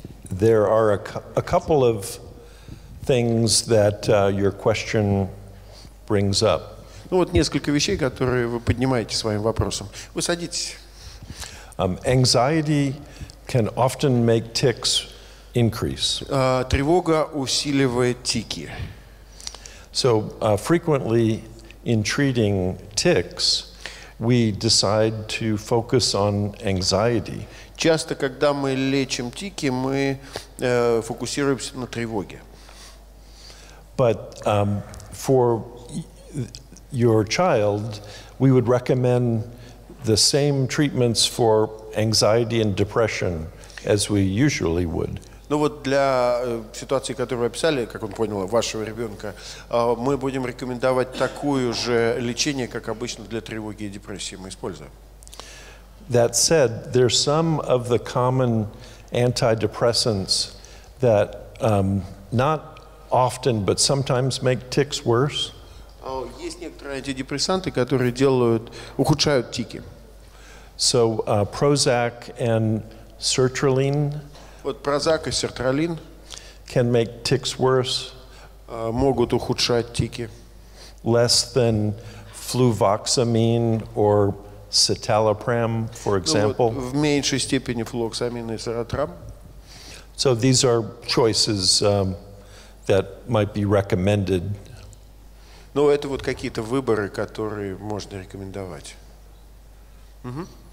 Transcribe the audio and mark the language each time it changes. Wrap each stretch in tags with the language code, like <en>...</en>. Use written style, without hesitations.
<en>There are a couple of things that your question brings up.</en> <ru>Ну вот несколько вещей, которые вы поднимаете своим вопросом. Вы садитесь.</ru> <en>Anxiety can often make tics increase.</en> <ru>Тревога усиливает тики.</ru> <en>So frequently in treating tics, we decide to focus on anxiety.</en> <ru>Часто, когда мы лечим тики, мы фокусируемся на тревоге.</ru> <en>But for your child, we would recommend the same treatments for anxiety and depression as we usually would.</en> <ru>Ну вот для ситуации, которую вы описали, как он понял, вашего ребенка, мы будем рекомендовать такое же лечение, как обычно для тревоги и депрессии мы используем.</ru> <en>That said, there's some of the common antidepressants that not often, but sometimes make tics worse.</en> <ru>Есть некоторые антидепрессанты, которые делают, ухудшают тики.</ru> <en>So Prozac and sertraline.</en> <ru>Вот Прозак и сертралин</ru> <en>can make tics worse.</en> <ru>Могут ухудшать тики.</ru> <en>Less than fluvoxamine or citalopram, for example.</en> <ru>Ну, вот, в меньшей степени флуоксамин и серотрам.</ru> <en>So these are choices that might be recommended.</en> <ru>Ну, это вот какие-то выборы, которые можно рекомендовать. Угу.</ru>